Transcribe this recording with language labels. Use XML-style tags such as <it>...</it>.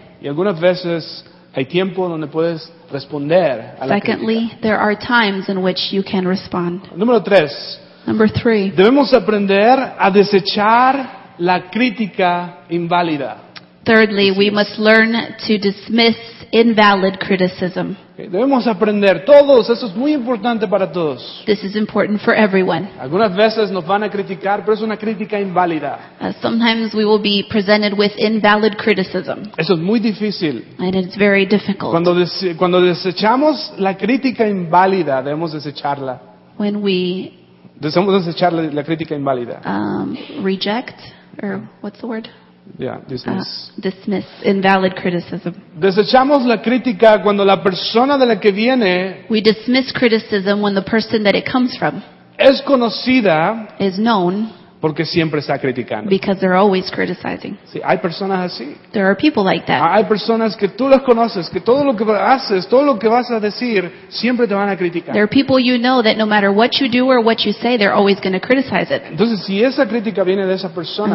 <es>Y algunas veces hay tiempo donde puedes responder a la crítica.</es> <en>Secondly, there are times in which you can respond.</en> <es>Número tres.</es> <en>Number three.</en> <es>Debemos aprender a desechar la crítica inválida.</es> <en>Thirdly, we must learn to dismiss invalid criticism.</en> <es>Okay, debemos aprender todos, eso es muy importante para todos.</es> <en>This is important for everyone.</en> <es>Algunas veces nos van a criticar, pero es una crítica inválida.</es> <en>Sometimes we will be presented with invalid criticism.</en> <es>Eso es muy difícil.</es> <en>And it's very difficult.</en> <es>Cuando desechamos la crítica inválida, debemos desecharla.</es> <en>When we</en> <es>debemos desechar la crítica inválida.</es> <en>Reject or what's the word? Yeah, dismiss invalid criticism.</en> <es>Desechamos la crítica cuando la persona de la que viene.</es> <en>We dismiss criticism when the person that it comes from</en> <es>es conocida.</es> <en>Is known.</en> <es>Porque siempre está criticando.</es> <en>Because they're always criticizing.</en> <es>Sí, hay personas así.</es> <en>There are people like that.</en> <es>Hay personas que tú las conoces, que todo lo que haces, todo lo que vas a decir, siempre te van a criticar.</es> <en>There are people you know that no matter what you do or what you say, they're always going to criticize it.</en> <es>Entonces, si esa crítica viene de esa persona,</es>